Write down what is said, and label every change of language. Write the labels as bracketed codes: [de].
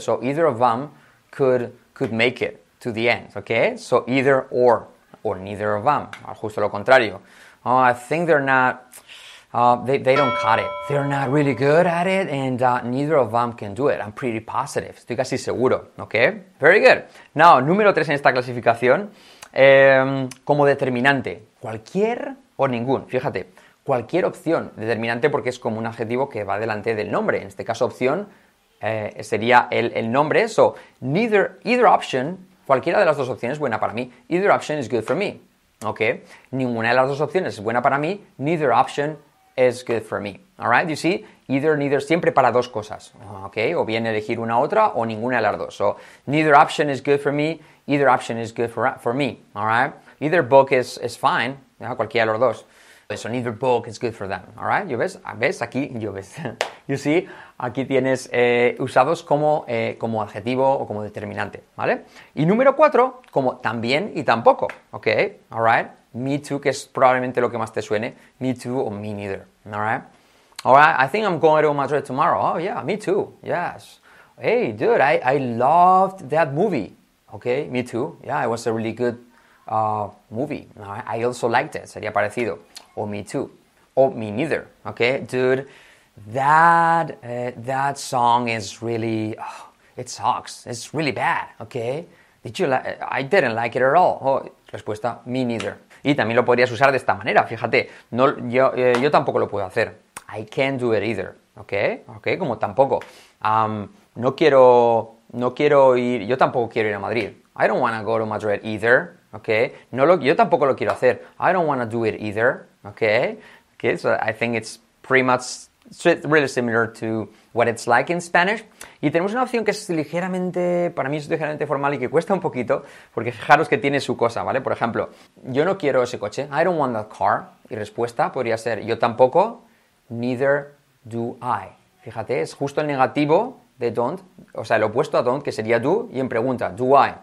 [en] So either of them could make it to the end. Okay. So either or neither of them. [es] Al justo lo contrario. [en] I think they're not. They don't cut it. They're not really good at it, and neither of them can do it. I'm pretty positive. [es] Estoy casi seguro. [en] Okay. Very good. [es] Now, número 3 en esta clasificación, como determinante, cualquier o ningún. Fíjate, cualquier opción, determinante porque es como un adjetivo que va delante del nombre. En este caso, opción sería el nombre. [en] So, either option, [es] cualquiera de las dos opciones es buena para mí. [en] Either option is good for me. [es] ¿Ok? Ninguna de las dos opciones es buena para mí. [en] Neither option is good for me. All right? You see? Either, neither, [es] siempre para dos cosas. [en] ¿Ok? [es] O bien elegir una otra o ninguna de las dos. [en] So, neither option is good for me. Either option is good for me. All right? Either book is fine. [es] Cualquiera de los dos. [en] So neither book is good for them, all right? [es] ¿Yo ves? ¿Ves? Aquí, yo ves. [en] You see? [es] Aquí tienes usados como, como adjetivo o como determinante, ¿vale? Y número cuatro, como también y tampoco, ¿ok? [en] All right? [es] Me too, que es probablemente lo que más te suene. [en] Me too o me neither, all right? All right, I think I'm going to Madrid tomorrow. Oh, yeah, me too, yes. Hey, dude, I loved that movie. Okay, me too. Yeah, it was a really good movie. I also liked it. [es] Sería parecido. [en] O me too. O me neither. Okay, dude, that song is really... Oh, it sucks. It's really bad. Okay? I didn't like it at all. [es] Oh, respuesta, me neither. Y también lo podrías usar de esta manera. Fíjate, no, yo tampoco lo puedo hacer. [en] I can't do it either. [es] Okay? Okay, como tampoco. No quiero ir, yo tampoco quiero ir a Madrid. [en] I don't want to go to Madrid either, okay? [es] Yo tampoco lo quiero hacer. [en] I don't want to do it either, okay? Okay, so I think it's pretty much, it's really similar to what it's like in Spanish. [es] Y tenemos una opción que es ligeramente, para mí es ligeramente formal y que cuesta un poquito, porque fijaros que tiene su cosa, ¿vale? Por ejemplo, yo no quiero ese coche. [en] I don't want that car. [es] Y respuesta podría ser, yo tampoco, [en] neither do I. [es] Fíjate, es justo el negativo de don't, o sea, el opuesto a don't, que sería do, y en pregunta, do I?